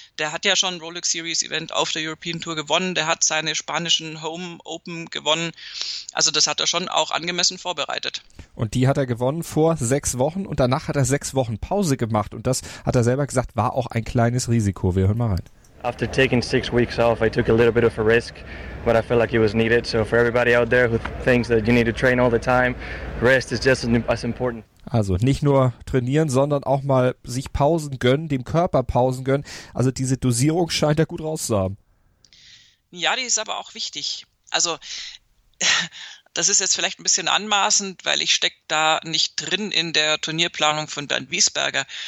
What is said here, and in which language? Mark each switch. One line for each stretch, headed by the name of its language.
German: Der hat ja schon ein Rolex Series Event auf der European Tour gewonnen. Der hat seine spanischen Home Open gewonnen. Also das hat er schon auch angemessen vorbereitet. Und die hat er gewonnen vor 6 Wochen und danach hat er 6 Wochen Pause gemacht. Und das, hat er selber gesagt, war auch ein kleines Risiko. Wir hören mal rein.
English: After taking 6 weeks off, I took a little bit of a risk, but I felt like it was needed. So for everybody out there who thinks that you need to train all the time, rest is just as important.
German: Also nicht nur trainieren, sondern auch mal sich Pausen gönnen, dem Körper Pausen gönnen. Also diese Dosierung scheint er gut rauszuhaben. Ja, die ist aber auch wichtig. Also das ist jetzt vielleicht ein bisschen anmaßend, weil ich stecke da nicht drin in der Turnierplanung von Bernd Wiesberger.